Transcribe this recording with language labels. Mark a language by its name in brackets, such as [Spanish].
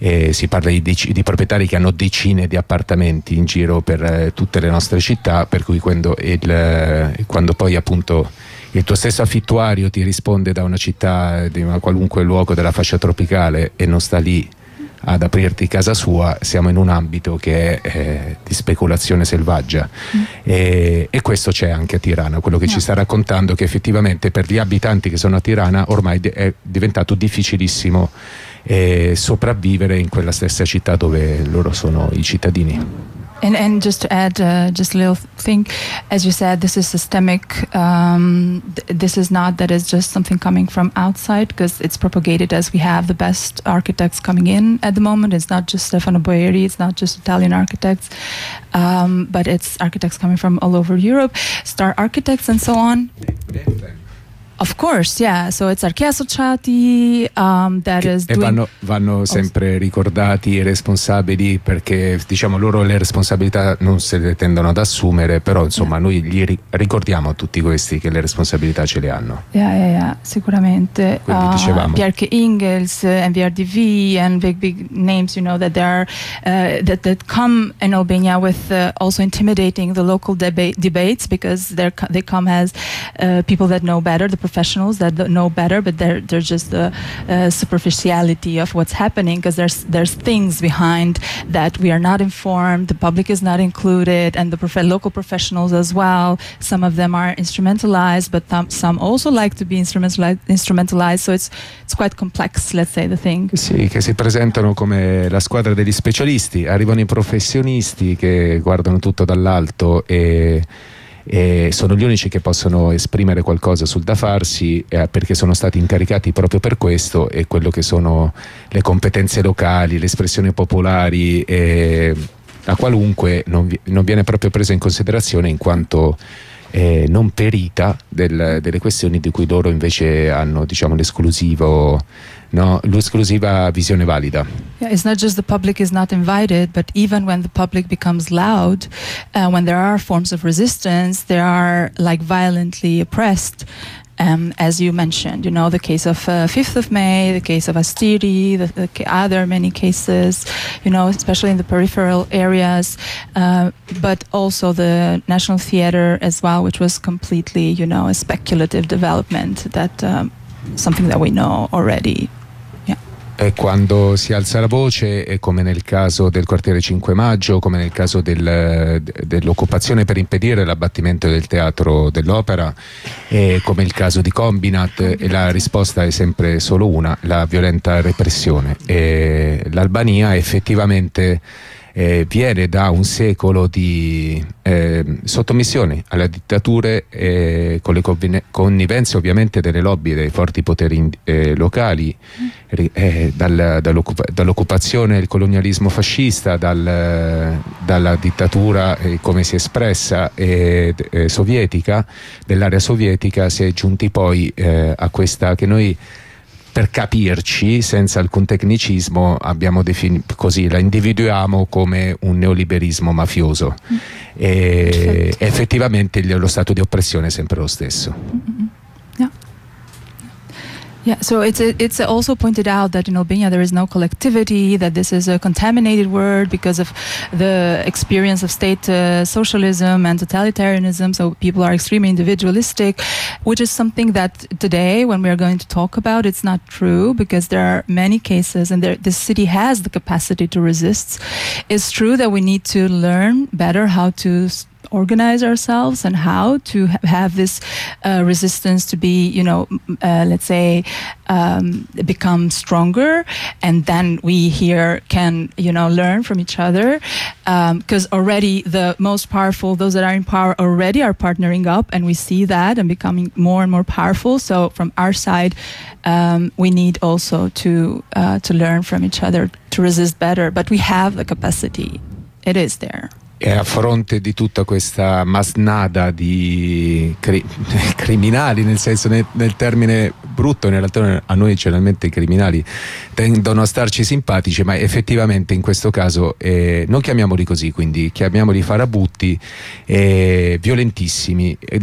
[Italian] Si parla di proprietari che hanno decine di appartamenti in giro per tutte le nostre città, per cui quando poi appunto il tuo stesso affittuario ti risponde da una città, di un qualunque luogo della fascia tropicale e non sta lì ad aprirti casa sua, siamo in un ambito che è di speculazione selvaggia. E questo c'è anche a Tirana, quello che ci sta raccontando, che effettivamente per gli abitanti che sono a Tirana ormai è diventato difficilissimo e sopravvivere in quella stessa città dove loro sono i cittadini. [English] And just to add just a little thing, as you said, this is systemic. This is not that it's just something coming from outside, because it's propagated as we have the best architects coming in at the moment. It's not just Stefano Boeri, it's not just Italian architects, but it's architects coming from all over Europe, star architects and so on. Of course, yeah. So it's Archea Associati that is doing. [Italian] E vanno sempre ricordati i responsabili, perché diciamo loro le responsabilità non se le tendono ad assumere, però insomma noi gli ricordiamo a tutti questi che le responsabilità ce le hanno. Yeah, sicuramente. Quindi dicevamo. [English] Bjarke Ingels, MVRDV, and big names, you know, that they are that come in Albania with also intimidating the local debates, because they come as people that know better. Professionals that know better, but they're just the superficiality of what's happening, because there's things behind that we are not informed, the public is not included, and the local professionals as well. Some of them are instrumentalized, but some also like to be instrumentalized. So it's quite complex, let's say, the thing. [Italian] Sì, che si presentano come la squadra degli specialisti. Arrivano i professionisti che guardano tutto dall'alto e sono gli unici che possono esprimere qualcosa sul da farsi, perché sono stati incaricati proprio per questo, e quello che sono le competenze locali, le espressioni popolari, a qualunque non viene proprio presa in considerazione in quanto non perita delle questioni di cui loro invece hanno, diciamo, l'esclusivo. No, l'esclusiva visione valida. [English] Yeah, it's not just the public is not invited, but even when the public becomes loud, when there are forms of resistance, they are like violently oppressed. As you mentioned, you know, the case of 5th of May, the case of Astiri, the other many cases, you know, especially in the peripheral areas, but also the National Theater as well, which was completely, you know, a speculative development that something that we know already. [Italian] E quando si alza la voce, è come nel caso del quartiere 5 Maggio, come nel caso dell'occupazione per impedire l'abbattimento del teatro dell'Opera, e come il caso di Combinat, e la risposta è sempre solo una: la violenta repressione. E l'Albania effettivamente viene da un secolo di sottomissioni alle dittature, con le connivenze ovviamente delle lobby, dei forti poteri locali, dall'occupazione, il colonialismo fascista, dalla dittatura, come si è espressa, sovietica, dell'area sovietica, si è giunti poi a questa che noi, per capirci, senza alcun tecnicismo, abbiamo definito così, la individuiamo come un neoliberismo mafioso. E effettivamente lo stato di oppressione è sempre lo stesso. [English] Yeah, so it's also pointed out that in Albania there is no collectivity, that this is a contaminated word because of the experience of state socialism and totalitarianism, so people are extremely individualistic, which is something that today, when we are going to talk about, it's not true, because there are many cases and this city has the capacity to resist. It's true that we need to learn better how to organize ourselves and how to have this resistance to be, you know, let's say, become stronger, and then we here can, you know, learn from each other, because already the most powerful, those that are in power, already are partnering up, and we see that and becoming more and more powerful. So from our side, we need also to learn from each other to resist better, but we have the capacity, it is there. [Italian] E a fronte di tutta questa masnada di criminali, nel senso, nel termine brutto, in realtà a noi generalmente i criminali tendono a starci simpatici, ma effettivamente in questo caso non chiamiamoli così, quindi chiamiamoli farabutti, violentissimi.